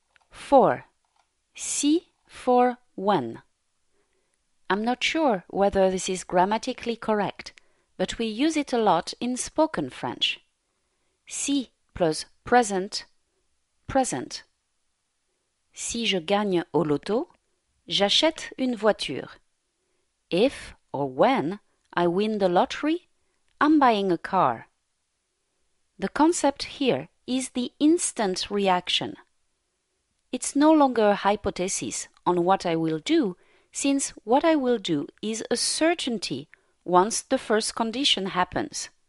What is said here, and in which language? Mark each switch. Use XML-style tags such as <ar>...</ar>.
<en>4. Si for when. I'm not sure whether this is grammatically correct, but we use it a lot in spoken French. Si plus present, present.</en> <fr>Si je gagne au loto, j'achète une voiture.</fr> <en>If or when I win the lottery, I'm buying a car. The concept here is the instant reaction. It's no longer a hypothesis on what I will do, since what I will do is a certainty once the first condition happens.</en>